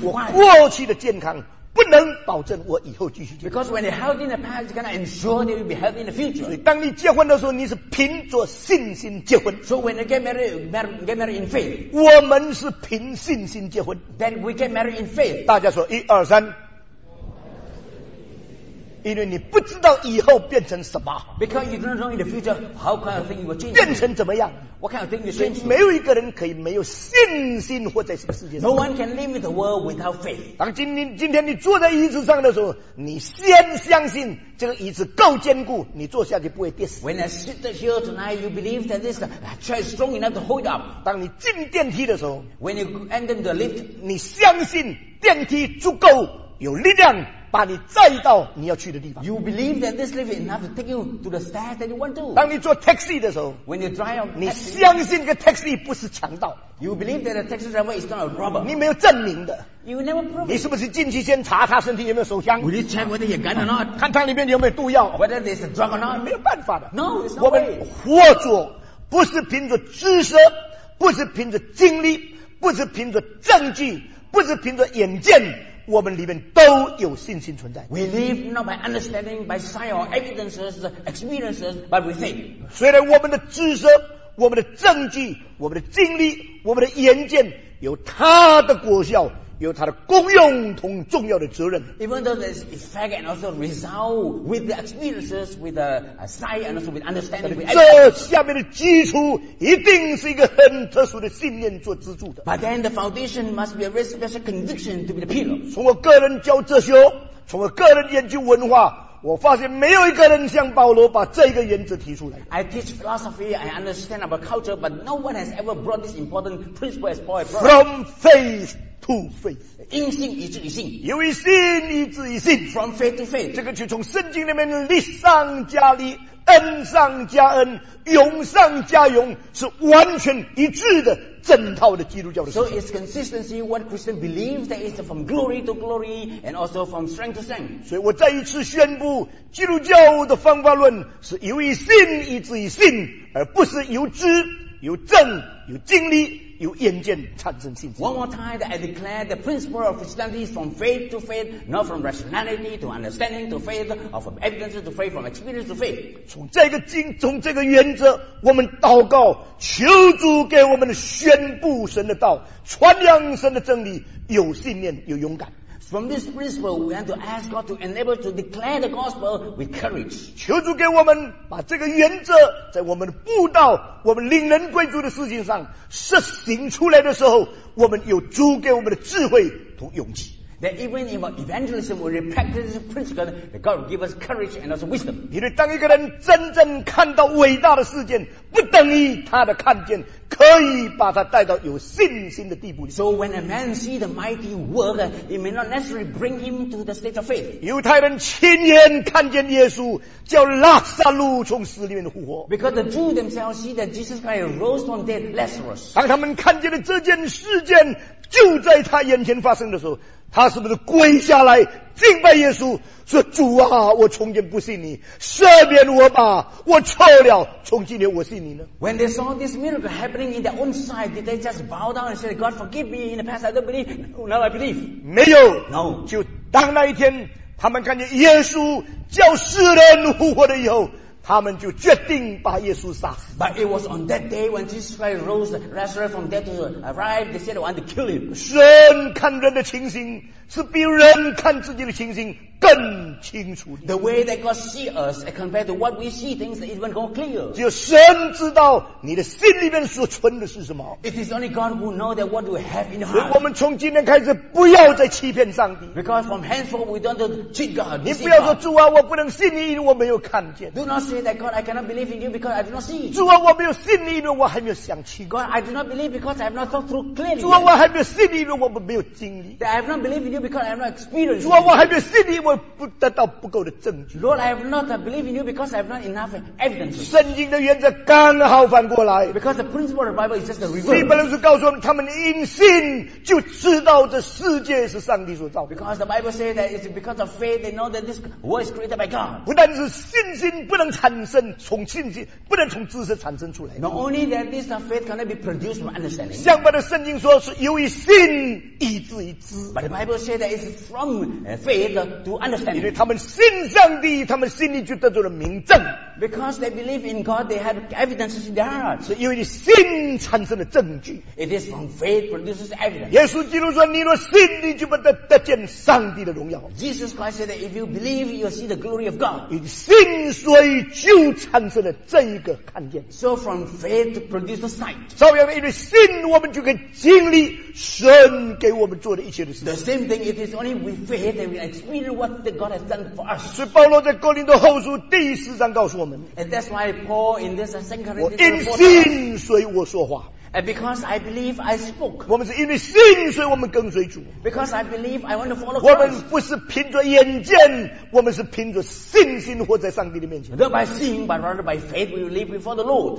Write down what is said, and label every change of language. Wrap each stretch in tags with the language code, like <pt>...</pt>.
<zh>我过去的健康不能保证我以后继续健康</zh> <en>because when you're healthy in the past you cannot ensure that you'll be healthy in the future</en> <zh>所以当你结婚的时候你是凭着信心结婚</zh> <en>so when you get married in faith</en> <zh>我们是凭信心结婚</zh> <en>then we get married in faith</en> <zh>大家说一二三因为你不知道以后变成什么</zh> <en>Because you don't know in the future how kind of thing you will change</en> <zh>变成怎么样</zh> <en>What kind of thing you change</en> <zh>没有一个人可以没有信心活在这个世界上</zh> <en>No one can live in the world without faith</en> <zh>当今天你坐在椅子上的时候你先相信这个椅子够坚固你坐下去不会跌死</zh> <en>When I sit here tonight you believe that this chair is strong enough to hold up</en> <zh>当你进电梯的时候</zh> <en>When you enter the lift</en> <zh>你相信电梯足够有力量把你载到你要去的地方。</zh> <en>You believe that this lift is enough to take you to the stairs that you want to.</en> <zh>当你坐 taxi 的时候</zh> <en>，When you drive a taxi,</en> <zh>你相信个 taxi 不是强盗。</zh> <en>You believe that a taxi driver is not a robber.</en> <zh>你没有证明的。</zh> <en>You never prove.</en> <zh>你是不是进去先查他身体有没有手枪</zh> <en>？Will you check whether he gun or not？</en> <zh>看他里面有没有毒药</zh> <en>？Whether there's a drug or not？</en> <zh>没有办法的。</zh> <en>No, it's not.</en> <zh>我们活着不是凭着知识，不是凭着经历，不是凭着证据，不是凭着眼见。我们里面都有信心存在。</zh> <en>We live not by understanding, by sight or evidences, experiences, but we faith.</en> <zh>虽然我们的知识、我们的证据、我们的经历、我们的眼见有它的果效，有它的功用同重要的责任。</zh> <en>Even though there's effect and also result with the experiences, with the sight and also with understanding, with</en> <zh>evidence. 这下面的基础一定是一个很特殊的信念做支柱的。</zh> <en>But then the foundation must be a very special conviction to be the pillar.</en> <zh>从我个人教哲学，从我个人研究文化，我发现没有一个人像保罗把这一个原则提出来。</zh> <en>I teach philosophy, I understand about culture, but no one has ever brought this important principle as Paul. From faith. To faith,</en> <zh>因信以至于信，由于信以至于信。</zh> <en>From faith to faith,</en> <zh>这个就从圣经里面利上加利，恩上加恩，勇上加勇，是完全一致的整套的基督教的。</zh> <en>So it's consistency. What Christian believes that is from glory to glory and also from strength to strength.</en> <zh>所以我再一次宣布，基督教的方法论是由于信以至于信，而不是由知、由证、由经历。由眼见产生信心。</zh> <en>One more time, that I declare the principle of Christianity is from faith to faith, not from rationality to understanding to faith, or from evidence to faith, from experience to faith.</en> <zh>从这个原则，我们祷告，求主给我们宣布神的道，传扬神的真理，有信念，有勇敢。</zh> <en>From this principle, we want to ask God to enable to declare the gospel with courage.</en> <zh>求主给我们把这个原则在我们布道、我们领人归主的事情上实行出来的时候，我们有主给我们的智慧和勇气。</zh> <en>That even in evangelism, when we practice this principle, that God will give us courage and also wisdom.</en> <zh>因为当一个人真正看到伟大的事件，不等于他的看见。可以把他带到有信心的地步。</zh> <en>So when a man see the mighty work, it may not necessarily bring him to the state of faith.</en> <zh>犹太人亲眼看见耶稣叫拉撒路从死里面复活。</zh> <en>Because the Jews themselves see that Jesus Christ rose from dead Lazarus.</en> <zh>当他们看见了这件事件就在他眼前发生的时候，他是不是跪下来敬拜耶稣？说主啊，我从前不信你，赦免我吧，我错了，从今天我信你呢。</zh> <en>When they saw this miracle happening in their own sight, did they just bow down and say, "God forgive me"? In the past, I don't believe. Now I believe.</en> <zh>没有。</zh> <en>No.</en> <zh>就当那一天，他们看见耶稣叫世人复活了以后。他们就决定把耶稣杀死。</zh> <en>But it was on that day when Jesus Christ rose Lazarus from dead to arrive, they said they wanted to kill him.</en> <zh>神看人的情形是比人看自己的情形更清楚的。</zh> <en>The way that God see us compared to what we see things is even more clear.</en> <zh>只有神知道你的心里面所存的是什么。</zh> <en>It is only God who knows that what we have in heart.</en> <zh>所以我们从今天开始不要再欺骗上帝。</zh> <en>Because from henceforth we don't cheat God.</en> <zh>你不要说主啊，我不能信你，因为我没有看见。</zh> <en>Do not say that God, I cannot believe in you because I do not see.</en> <zh>主啊，我没有信你，因为我还没有想清。</zh> <en>God, I do not believe because I have not thought through clearly.</en> <zh>主啊，我还没有信你，因为我没有经历。</zh> <en>That I have not believed in you because I have not experienced.</en> <zh>主啊，我还没有信你，因为为不得到不够的证据。</zh> <en>Lord, I have not believed in you because I have not enough evidence.</en> <zh>圣经的原则刚好反过来。</zh> <en>Because the principle of the Bible is just the reverse.</en> <zh>希伯来书告诉我们，他们因信就知道这世界是上帝所造的。</zh> <en>Because the Bible says that it's because of faith they know that this world is created by God.</en> <zh>不但是信心不能产生，从信心不能从知识产生出来。</zh> <en>Not only that this faith cannot be produced from understanding.</en> <zh>相反的，圣经说是由于信以至于知。</zh> <en>But the Bible says that it's from faith to understand.</en> <zh>因为他们信上帝，他们心里就得到了明证。</zh> <en>Because they believe in God, they have evidence in their heart.</en> <zh>是由于信产生的证据。</zh> <en>It is from faith produces evidence.</en> <zh>耶稣基督说：“你若信，你就不得得见上帝的荣耀。”</zh> <en>Jesus Christ said that if you believe, you see the glory of God.</en> <zh>以信所以就产生了这一个看见。</zh> <en>So from faith to produce the sight.</en> <zh>所以因为信，我们就可以经历神给我们做的一切的事。</zh> <en>The same thing. It is only with faith that we experience what the God has done for us.</en> <zh>所以保罗在哥林多后书第四章告诉我们。</zh> <en>And that's why Paul in this second Corinthians.</en> <zh>我因信，所以我说话。</zh> <en>And because I believe, I spoke.</en> <zh>我们是因为信，所以我们跟随主。</zh> <en>Because I believe, I want to follow.</en> <zh>我们不是凭着眼见，我们是凭着信心活在上帝的面前。</zh> <en>Not by seeing, but rather by faith, we live before the Lord.</en>